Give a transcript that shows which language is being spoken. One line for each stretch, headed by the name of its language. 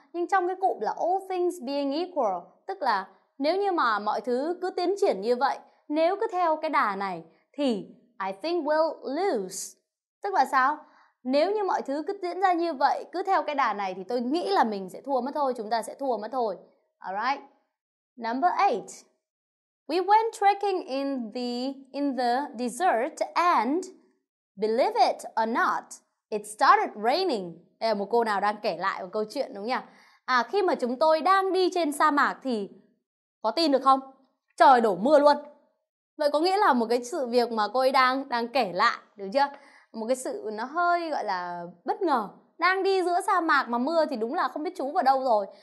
Vietnamese: Nhưng trong cái cụm là
English: all things being equal,
Vietnamese: tức là nếu như mà mọi thứ cứ tiến triển như vậy, nếu cứ theo cái đà này, thì
English: I think we'll lose.
Vietnamese: Tức là sao? Nếu như mọi thứ cứ diễn ra như vậy, cứ theo cái đà này, thì tôi nghĩ là mình sẽ thua mất thôi, chúng ta sẽ thua mất thôi.
English: Alright. Number 8. We went trekking in the desert and believe it or not, it started raining.
Vietnamese: Đây là một cô nào đang kể lại một câu chuyện đúng không nhỉ? À, khi mà chúng tôi đang đi trên sa mạc thì có tin được không? Trời đổ mưa luôn. Vậy có nghĩa là một cái sự việc mà cô ấy đang kể lại, được chưa? Một cái sự nó hơi gọi là bất ngờ. Đang đi giữa sa mạc mà mưa thì đúng là không biết chú vào đâu rồi.